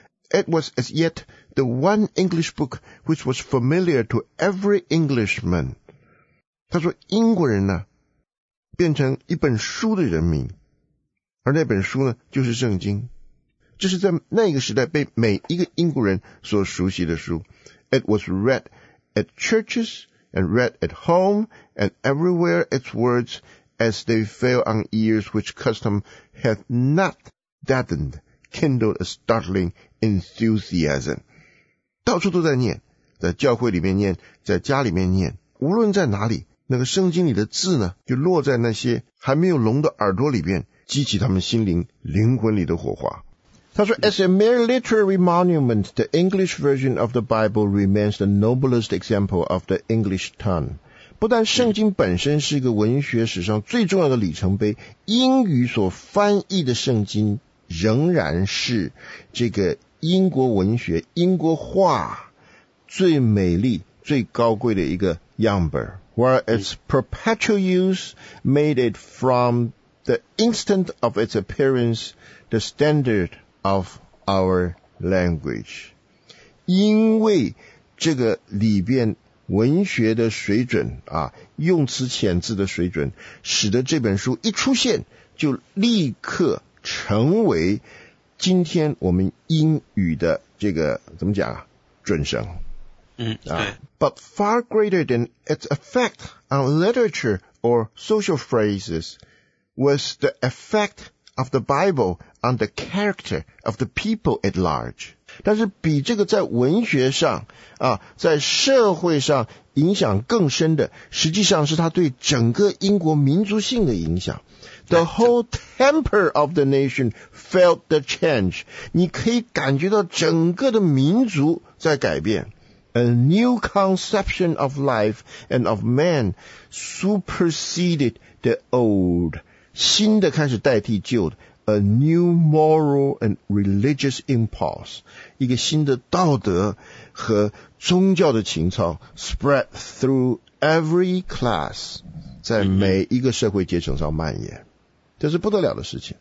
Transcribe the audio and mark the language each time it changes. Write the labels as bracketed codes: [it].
[en] It was as yet the one English book which was familiar to every Englishman. [zh] 他说英国人呢变成一本书的人民，而那本书呢就是圣经，这是在那个时代被每一个英国人所熟悉的书。 [en] It was read at churches and read at home and everywhere its words as they fell on ears which custom had not deadened kindled a startling enthusiasm. [zh] 到处都在念，在教会里面念，在家里面念，无论在哪里，那个圣经里的字呢就落在那些还没有聋的耳朵里边，激起他们心灵灵魂里的火花。他说 [en] As a mere literary monument, the English version of the Bible remains the noblest example of the English tongue. [zh] 不但圣经本身是一个文学史上最重要的里程碑，英语所翻译的圣经仍然是这个英国文学、英国画最美丽、最高贵的一个样本。 [en] Where its perpetual use made it from the instant of its appearance the standard of our language. [zh] 因为这个里边文学的水准啊，用词遣字的水准，使得这本书一出现就立刻成为今天我们英语的这个怎么讲啊，准绳。 [en] But far greater than its effect on literature or social phrases was the effect of the Bible on the character of the people at large. [zh] 但是比这个在文学上啊，在社会上影响更深的，实际上是他对整个英国民族性的影响。 [en] The whole temper of the nation felt the change. [zh] 你可以感觉到整个的民族在改变。 [en] A new conception of life and of man superseded the old. [zh] 新的开始代替旧的。 [en] A new moral and religious impulse, [zh] 一个新的道德和宗教的情操 [en] spread through every class, [zh] 在每一个社会阶层上蔓延，这是不得了的事情。